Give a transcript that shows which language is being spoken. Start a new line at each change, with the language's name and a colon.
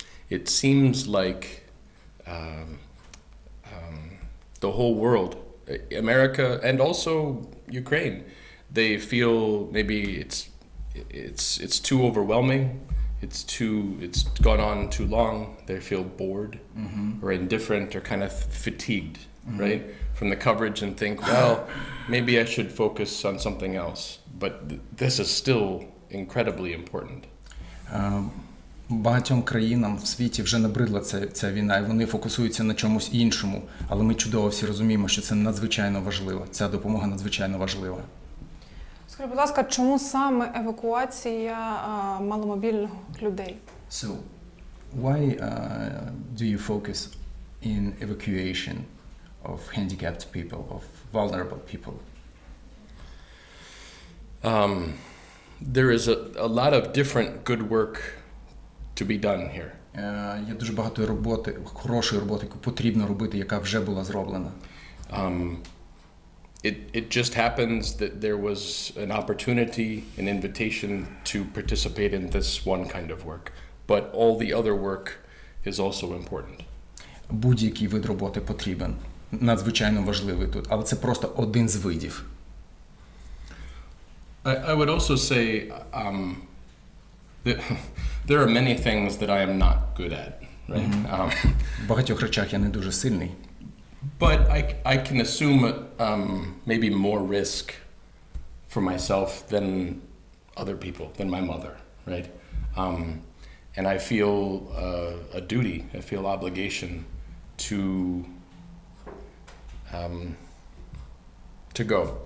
English: It seems like the whole world, America and also Ukraine, they feel maybe it's too overwhelming. It's gone on too long. They feel bored, mm-hmm. or indifferent or kind of fatigued, mm-hmm. right? From the coverage and think, well, maybe I should focus on something else. But this is still incredibly important.
Ukrainian: Багатьом країнам в світі вже набридла ця війна, і вони фокусуються на чомусь іншому. Але ми чудово всі розуміємо, що це надзвичайно важливо. Ця допомога надзвичайно важлива. Скажіть, будь ласка, чому саме евакуація маломобільних людей?
English: So, why do you focus in evacuation of handicapped people, of vulnerable people? There is a lot of different good work to be done here.
Ukrainian: Є дуже багато роботи, хорошої роботи, яку потрібно робити, яка вже була зроблена.
English: It just happens that there was an opportunity, an invitation to participate in this one kind of work. But all the other work is also important.
Ukrainian: Будь-який вид роботи потрібен. Надзвичайно важливий тут. Але це просто один з видів.
English: I would also say there are many things that I am not good at.
Ukrainian: В багатьох речах я не дуже сильний.
English: But I can assume maybe more risk for myself than other people, than my mother, right? And I feel a duty, I feel obligation to go.